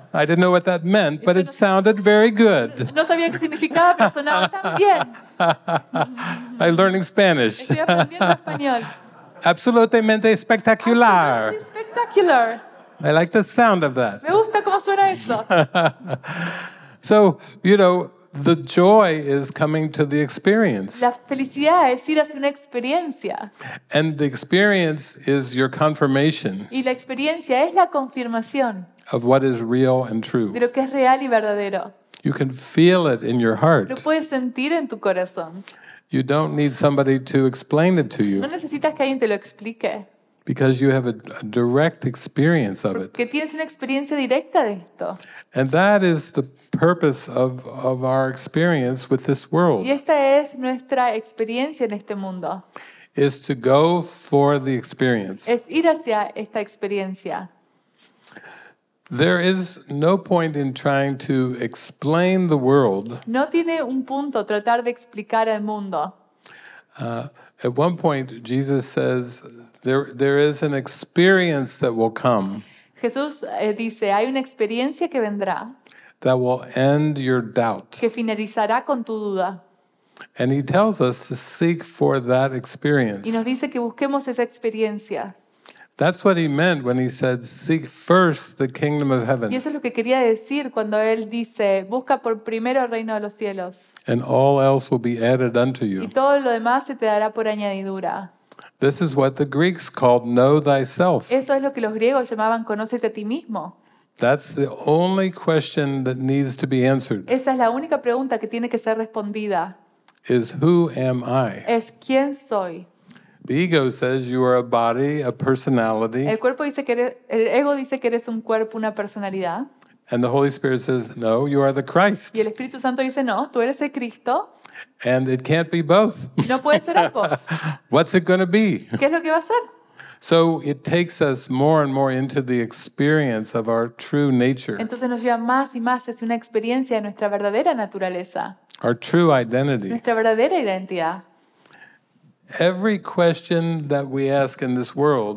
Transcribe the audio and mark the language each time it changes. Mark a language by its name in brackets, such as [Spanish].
[English] I didn't know what that meant, but it sounded very good. [Spanish] No sabía qué significaba, pero sonaba tan bien. [English] I'm learning Spanish. [Spanish] Estoy aprendiendo español. Absolutamente espectacular. [English] Absolutely spectacular. I like the sound of that. [Spanish] Me gusta cómo suena eso. [English] So, you know, the joy is coming to the experience. [Spanish] La felicidad es ir hacia una experiencia. [English] And the experience is your confirmation. [Spanish] Y la experiencia es la confirmación. [English] Of what is real and true. [Spanish] De lo que es real y verdadero. [English] You can feel it in your heart. [Spanish] Lo puedes sentir en tu corazón. [English] You don't need somebody to explain it to you. [Spanish] No necesitas que alguien te lo explique. [English] Because you have a direct experience of it. [Spanish] Porque tienes una experiencia directa de esto. [English] And that is the purpose of our experience with this world. [Spanish] Y esta es nuestra experiencia en este mundo. [English] Is to go for the experience. [Spanish] Es ir hacia esta experiencia. [English] There is no point in trying to explain the world. [Spanish] No tiene un punto tratar de explicar el mundo. [English] At one point, Jesus says, There is an experience that will come. [Spanish] Jesús dice, hay una experiencia que vendrá. [English] That will end your doubt. [Spanish] Que finalizará con tu duda. [English] And he tells us to seek for that experience. [Spanish] Y nos dice que busquemos esa experiencia. [English] That's what he meant when he said, seek first the kingdom of heaven. [Spanish] Y eso es lo que quería decir cuando él dice, busca por primero el reino de los cielos. [English] And all else will be added unto you. [Spanish] Y todo lo demás se te dará por añadidura. [English] This is what the Greeks called know thyself. [Spanish] Eso es lo que los griegos llamaban conócete a ti mismo. [English] That's the only question that needs to be answered. [Spanish] Esa es la única pregunta que tiene que ser respondida. [English] Is who am I? [Spanish] Es quién soy. [English] The ego says you are a body, a personality. [Spanish] El cuerpo dice que eres, el ego dice que eres un cuerpo, una personalidad. [English] And the Holy Spirit says, no, you are the Christ. [Spanish] Y el Espíritu Santo dice, no, tú eres el Cristo. [English] And it can't be both. [Spanish] No puede ser ambos. [English] What's it going to be? [Spanish] ¿Qué es lo que va a ser? [English] So it takes us more and more into the experience of our true nature. [Spanish] Entonces nos lleva más y más hacia una experiencia de nuestra verdadera naturaleza. [English] Our true identity. [Spanish] Nuestra verdadera identidad. [English] Every question that we ask in this world,